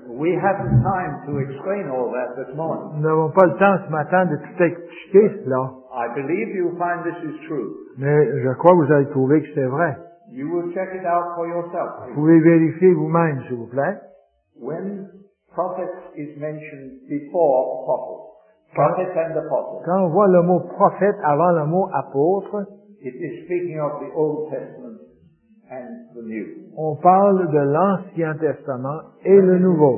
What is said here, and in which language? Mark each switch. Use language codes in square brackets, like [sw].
[en] We have time to explain all that this morning. [fr] Nous n'avons pas le temps ce matin de tout expliquer cela. [en] I believe you find this is true. [fr] Mais je crois que vous allez trouver que c'est vrai. [en] You will check it out for yourself, please. [fr] Vous pouvez vérifier vous-même, s'il vous plaît. [en] When prophet is mentioned before apostle. Prophet and apostle. [fr] Quand on voit le mot prophète avant le mot apôtre, [en] it is speaking of the Old Testament and the New. [fr] On parle de l'Ancien Testament et le Nouveau